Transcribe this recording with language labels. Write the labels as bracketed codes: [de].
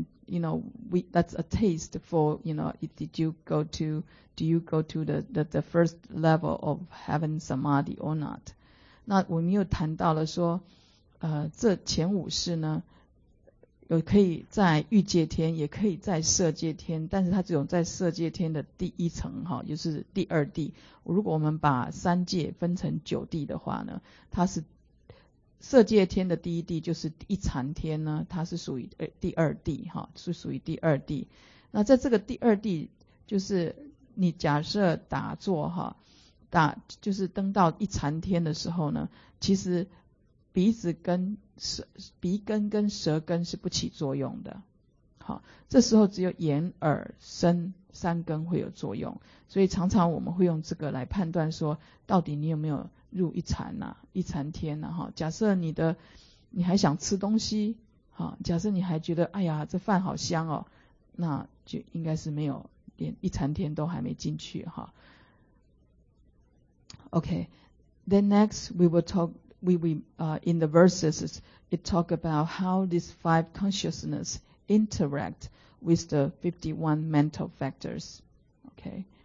[en] That's a taste for, you know, do you go to the first level of heaven samadhi or not? [zh] 那我们又谈到了说，这前五识呢也可以在欲界天，也可以在色界天，但是它只有在色界天的第一层，就是第二地。如果我们把三界分成九地的话呢，它是色界天的第一地，就是一禅天呢，它是属于第二地，是属于第二地。那在这个第二地，就是你假设打坐，就是登到一禅天的时候呢，其实鼻子跟鼻根跟舌根是不起作用的，好，这时候只有眼耳身三根会有作用，所以常常我们会用这个来判断说到底你有没有入一禅啊，一禅天啊。好，假设你还想吃东西，好，假设你还觉得哎呀这饭好香哦，那就应该是没有，连一禅天都还没进去。 [en] 好， OK, then next we will talkin the verses, it talk about how these five consciousness interact with the 51 mental factors. Okay.